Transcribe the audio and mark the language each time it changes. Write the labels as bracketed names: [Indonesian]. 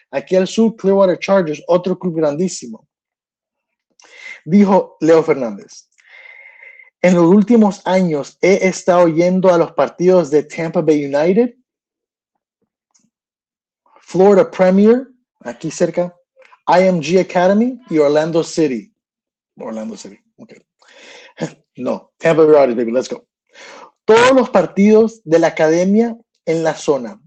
[Spanish] Aquí al sur, Clearwater Chargers, otro club grandísimo. Dijo Leo Fernández. En los últimos años he estado yendo a los partidos de Tampa Bay United, Florida Premier, aquí cerca, IMG Academy y Orlando City. Orlando City, ok. [English] No, Tampa Bay United, baby, let's go. [Spanish] Todos los partidos de la academia en la zona.